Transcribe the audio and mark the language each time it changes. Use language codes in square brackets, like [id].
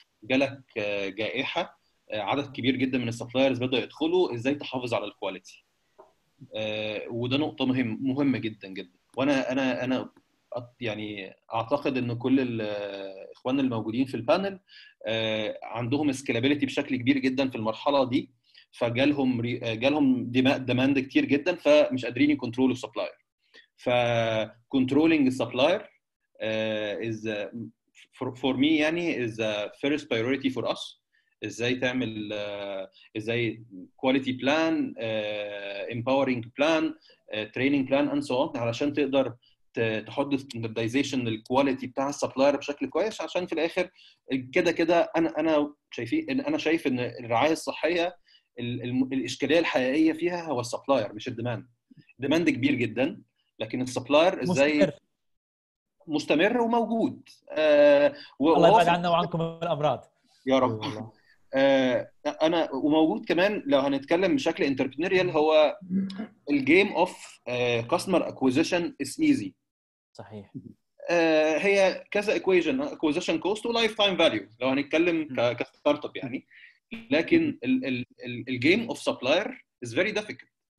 [ar] جالك جائحة، عدد كبير جدا من السبلايرز بدأ يدخلوا، ازاي تحافظ على الكواليتي؟ وده نقطة مهمة جدا جدا. وانا يعني اعتقد ان كل الاخوان الموجودين في البانل عندهم سكيلابيليتي بشكل كبير جدا في المرحلة دي، فجالهم ديماند كتير جدا فمش قادرين يكونترولوا السبلاير. [en] فكونترولينج السبلاير is for me يعني is a first priority for us. [ar] ازاي تعمل ازاي [en] quality plan, empowering plan, training plan and so on [ar] علشان تقدر تحط standardization للquality بتاع السبلاير بشكل كويس، عشان في الاخر كده انا شايف ان الرعاية الصحية الاشكالية الحقيقية فيها هو السبلاير مش الديماند. الديماند كبير جدا لكن السبلاير ازاي مستمر وموجود. الله يبعد عنا وعنكم الأمراض يا رب. أنا وموجود كمان لو هنتكلم بشكل entrepreneurial هو الجيم [en] of customer acquisition is easy. [ar] صحيح. هي كذا equation acquisition cost و lifetime value لو هنتكلم كستارتوب يعني. لكن ال [en] game of supplier is very difficult.